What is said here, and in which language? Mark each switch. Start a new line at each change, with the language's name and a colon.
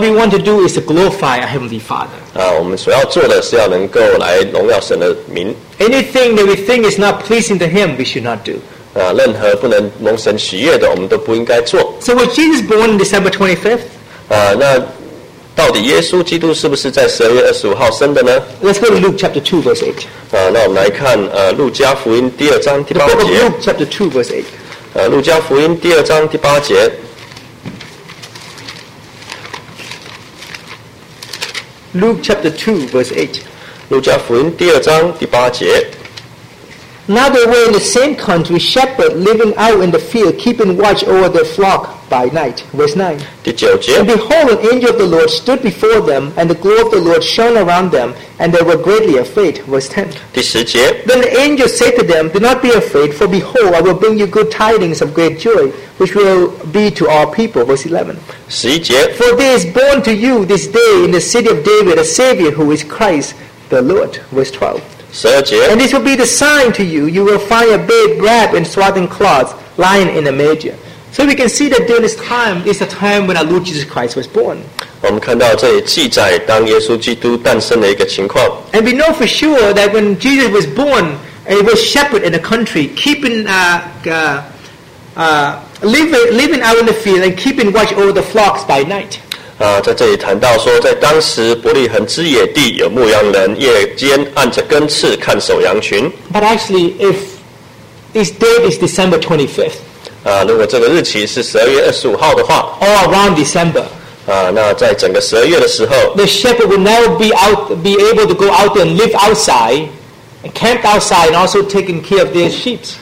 English: we want to do is to glorify our Heavenly Father.
Chinese: 我们所要做的是要能够来荣耀神的名。
English: Anything that we think is not pleasing to Him, we should not do.
Chinese: 任何不能蒙神喜悦的，我们都不应该做。
English: So was Jesus born on December 25th?
Chinese: 那到底耶稣基督是不是在12月25号生的呢？
English: Let's go to Luke chapter 2 verse 8.
Chinese: 那我们来看路加福音第二章第八节。
English: Luke chapter 2 verse 8.
Chinese: 路加福音第二章第八节。
English: Luke chapter 2, verse 8.
Chinese: 路加福音第二章第八节。
English: Now there were in the same country shepherds living out in the field, keeping watch over their flock by night. Verse 9.
Chinese: 第九节。
English: And behold, an angel of the Lord stood before them, and the glory of the Lord shone around them, and they were greatly afraid. Verse 10.
Chinese: 第十节。
English: Then the angel said to them, Do not be afraid, for behold, I will bring you good tidings of great joy, which will be to all people. Verse 11.
Chinese: 十一节。
English: For there is born to you this day in the city of David a Savior who is Christ the Lord. Verse 12.
Chinese: 十二节。
English: And this will be the sign to you, you will find a babe wrapped in swaddling cloths, lying in a manger. So we can see that during this time is the time when our Lord Jesus Christ was born.
Chinese: 我们看到这里记载当耶稣基督诞生的一个情况。
English: And we know for sure that when Jesus was born, he was shepherd in the country, keeping living out in the field and keeping watch over the flocks by night.
Chinese: 在这里谈到说，在当时伯利恒之野地有牧羊人夜间按着根刺看守羊群。
English: But actually, if this date is December 25th,
Chinese: 如果这个日期是12月25号的话，
English: all around December,
Chinese: 那在整个12月的时候，
English: the shepherd would never be able to go out and live outside, camp outside, and also taking care of their sheep.